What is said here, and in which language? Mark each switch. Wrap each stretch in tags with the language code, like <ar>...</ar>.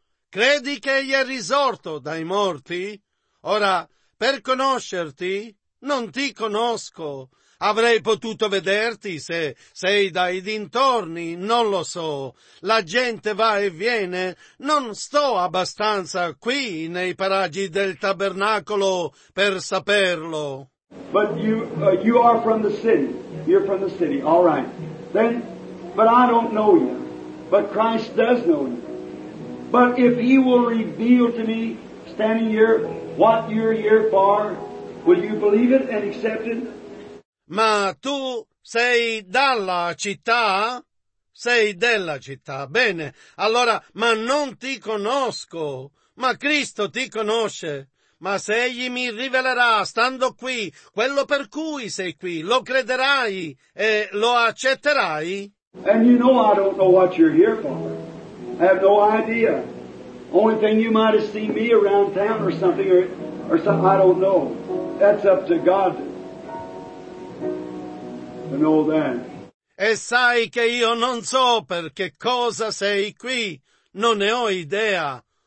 <it>Credi che Egli è risorto dai morti? Ora, per conoscerti, non ti conosco. Avrei potuto vederti se sei dai dintorni, non lo so. La gente va e viene, non sto abbastanza qui nei paraggi del tabernacolo per saperlo.</it> <en>But you are from the city. You're from the city. All right. Then, but I don't know you. But Christ does know you. But if He will reveal to me, standing here, what you're here for, will you believe it and accept it?</en> <it>Ma tu sei dalla città? Sei della città, bene. Allora, ma non ti conosco. Ma Cristo ti conosce. Ma se Egli mi rivelerà, stando qui, quello per cui sei qui, lo crederai e lo accetterai?</it> <en>And you know I don't know what you're here for. I have no idea. Only thing, you might have seen me around town or something, or something, I don't know. That's up to God to know that.</en> <it>E sai che io non so per che cosa sei qui, non ne ho idea.</it>